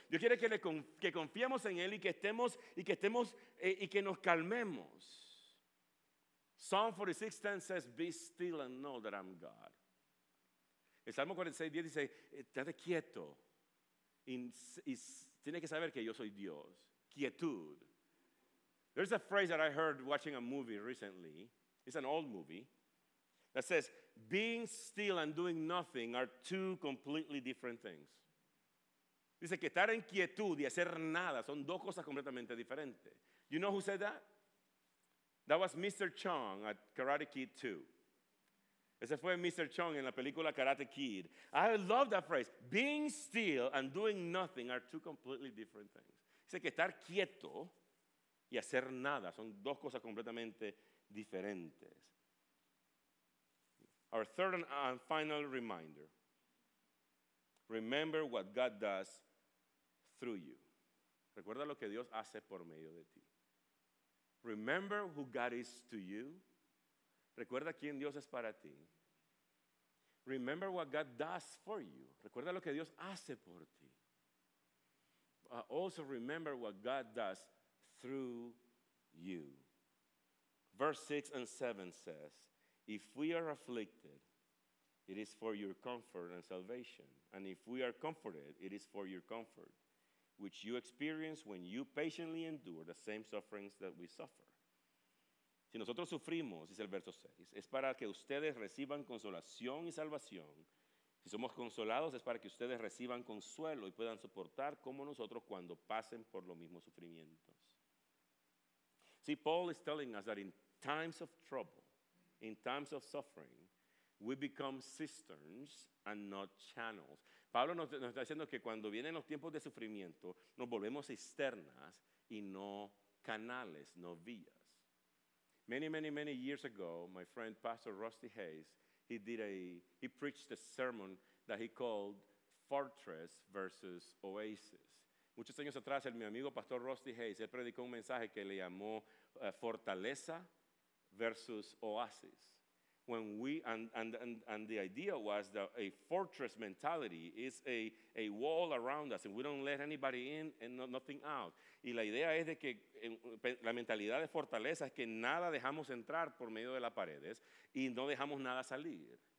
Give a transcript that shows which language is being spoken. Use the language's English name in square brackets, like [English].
[Spanish] Dios quiere que confiemos en él y que nos calmemos. [English] Psalm 46:10 says, "Be still and know that I'm God." [Spanish] El Salmo 46:10 dice, "Estate quieto y tiene que saber que yo soy Dios." Quietud. [English] There's a phrase that I heard watching a movie recently. It's an old movie that says, "Being still and doing nothing are two completely different things." [Spanish] Dice que estar en quietud y hacer nada son dos cosas completamente diferentes. [English] You know who said that? That was Mr. Chong at Karate Kid 2. [Spanish] Ese fue Mr. Chong en la película Karate Kid. [English] I love that phrase. Being still and doing nothing are two completely different things. [Spanish] Dice que estar quieto y hacer nada son dos cosas completamente diferentes. [English] Our third and final reminder. Remember what God does through you. [Spanish] Recuerda lo que Dios hace por medio de ti. [English] Remember who God is to you. [Spanish] Recuerda quién Dios es para ti. [English] Remember what God does for you. [Spanish] Recuerda lo que Dios hace por ti. [English] Also remember what God does through you. Verse 6 and 7 says, "If we are afflicted, it is for your comfort and salvation. And if we are comforted, it is for your comfort, which you experience when you patiently endure the same sufferings that we suffer." [Spanish] Si nosotros sufrimos, dice el verso 6, es para que ustedes reciban consolación y salvación. Si somos consolados, es para que ustedes reciban consuelo y puedan soportar como nosotros cuando pasen por los mismos sufrimientos. [English] See, Paul is telling us that in times of trouble, in times of suffering, we become cisterns and not channels. [Spanish] Pablo nos está diciendo que cuando vienen los tiempos de sufrimiento, nos volvemos cisternas y no canales, no vías. [English] Many, many, many years ago, my friend Pastor Rusty Hayes, he preached a sermon that he called Fortress versus Oasis. [Spanish] Muchos años atrás, mi amigo Pastor Rusty Hayes, él predicó un mensaje que le llamó Fortaleza versus Oasis. [English] When we and the idea was that a fortress mentality is a wall around us and we don't let anybody in and nothing out. [Spanish] Y la idea es de que la mentalidad de fortaleza es que nada dejamos entrar por medio de las paredes y no dejamos nada salir.